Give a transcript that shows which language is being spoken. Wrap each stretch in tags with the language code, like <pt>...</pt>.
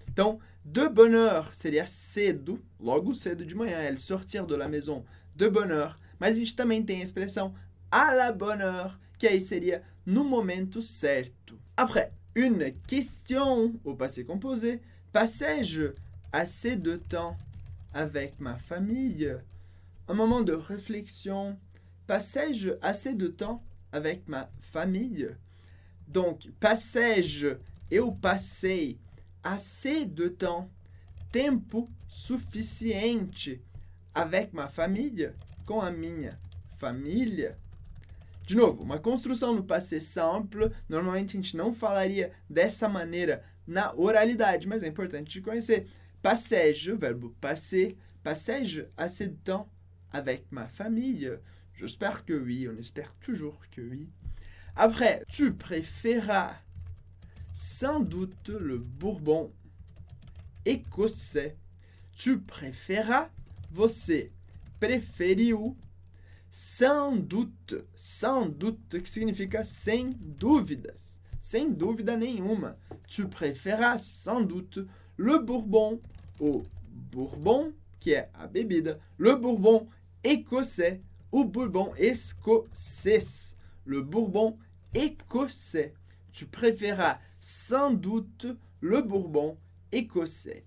<pt>Então, de bonne heure seria cedo, logo cedo de manhã,</pt> <fr>elle sortir de la maison de bonne heure.</fr> <pt>Mas a gente também tem a expressão</pt> <fr>à la bonne heure,</fr> <pt>que aí seria no momento certo.</pt> <fr>Après, une question, au passé composé, passais-je assez de temps avec ma famille? Un moment de réflexion. Passais-je assez de temps avec ma famille? Donc, passais-je</fr> <pt>eu passei</pt> <fr>assez de temps,</fr> <pt>tempo suficiente,</pt> <fr>avec ma famille,</fr> <pt>com a minha família? De novo, uma construção no passé simple. Normalmente a gente não falaria dessa maneira na oralidade, mas é importante de conhecer.</pt> <fr>Passais-je, verbo passer, passais-je assez de temps avec ma famille? J'espère que oui, on espère toujours que oui. Après, tu préféras sans doute le bourbon écossais. Tu préféras,</fr> <pt>você preferiu,</pt> <fr>sans doute,</fr> <pt>que significa sem dúvidas, sem dúvida nenhuma.</pt> <fr>Tu préféras sans doute le bourbon.</fr> <pt>O bourbon, que é a bebida,</pt> <fr>le bourbon écossais,</fr> <pt>o bourbon escocês,</pt> <fr>le bourbon écossais. Tu préféras sans doute le bourbon écossais.</fr>